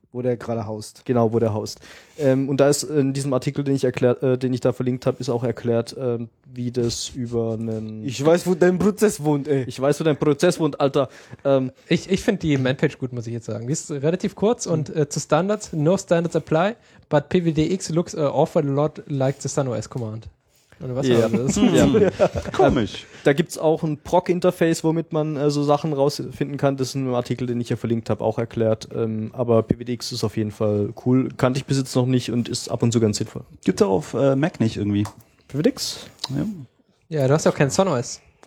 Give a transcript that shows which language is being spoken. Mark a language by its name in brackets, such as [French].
[German] Wo der gerade haust. Genau, wo der haust. Und da ist in diesem Artikel, den ich da verlinkt habe, ist auch erklärt, wie das über einen... Ich weiß, wo dein Prozess wohnt, ey. Ich weiß, wo dein Prozess wohnt, Alter. Ich finde die Manpage gut, muss ich jetzt sagen. Die ist relativ kurz und zu Standards. [English] No standards apply, but pwdx looks awful lot like the SunOS command. [German] Oder was war das? Ja. Komisch. Da gibt's auch ein PROC-Interface, womit man so Sachen rausfinden kann. Das ist ein Artikel, den ich ja verlinkt habe, auch erklärt. Aber pwdx ist auf jeden Fall cool. Kannte ich bis jetzt noch nicht und ist ab und zu ganz sinnvoll. Gibt's auch auf Mac nicht irgendwie. PwdX? Ja. Ja, du hast ja auch kein SunOS.